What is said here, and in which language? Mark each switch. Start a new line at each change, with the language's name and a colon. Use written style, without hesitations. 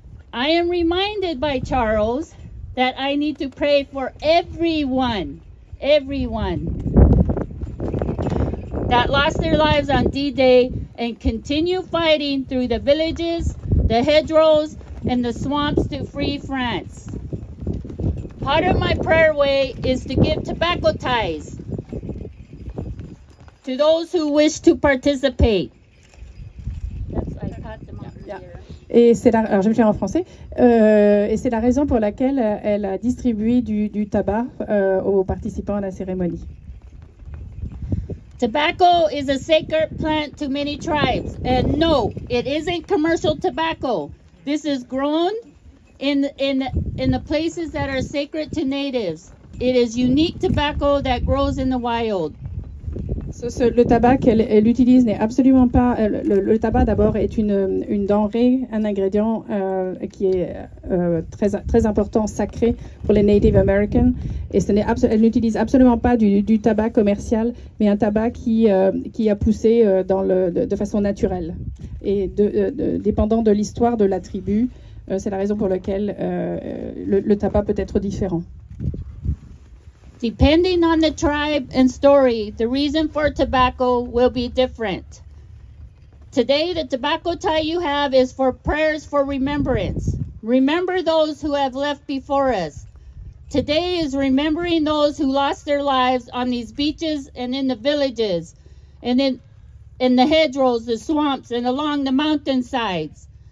English: I am reminded by Charles that I need to pray for everyone that lost their lives on D-Day and continue fighting through the villages, the hedgerows, and the swamps to free France. Part of my prayer way is to give tobacco ties to those who wish to participate.
French: Et c'est la, alors je vais le faire en français. Et c'est la raison pour laquelle elle a distribué du tabac aux participants à la cérémonie.
English: Tobacco is a sacred plant to many tribes. And no, it isn't commercial tobacco. This is grown in the places that are sacred to natives. It is unique tobacco that grows in the wild.
French: Le tabac qu'elle utilise n'est absolument pas... Le tabac, d'abord, est une denrée, un ingrédient qui est très, très important, sacré pour les
English: Native Americans.
French: Et ce n'est elle n'utilise absolument pas du tabac commercial, mais un tabac qui a poussé de façon naturelle. Et dépendant de l'histoire de la tribu, c'est la raison pour laquelle le tabac peut être différent.
English: Depending on the tribe and story, the reason for tobacco will be different. Today, the tobacco tie you have is for prayers for remembrance. Remember those who have left before us. Today is remembering those who lost their lives on these beaches and in the villages, and in the hedgerows, the swamps, and along the mountainsides.